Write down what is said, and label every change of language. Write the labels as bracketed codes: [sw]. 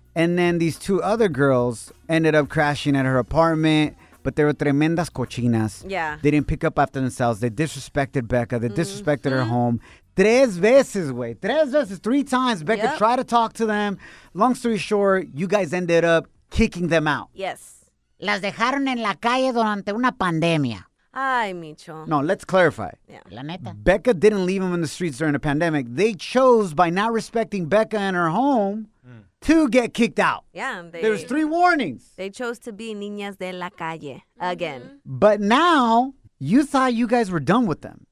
[en] And then these two other girls ended up crashing at her apartment. But they were [es] tremendas cochinas. [en] Yeah. They didn't pick up after themselves. They disrespected Becca. They disrespected her home. Three times Becca tried to talk to them. Long story short, you guys ended up kicking them out. Yes. [es] Las dejaron en la calle durante una pandemia. Ay, Micho. [en] No, let's clarify. Yeah. [es] La neta. [en] Becca didn't leave them in the streets during a pandemic. They chose by not respecting Becca and her home. To get kicked out. Yeah. There's three warnings. They chose to be [es] niñas de la calle [en] again. But now, you thought you guys were done with them.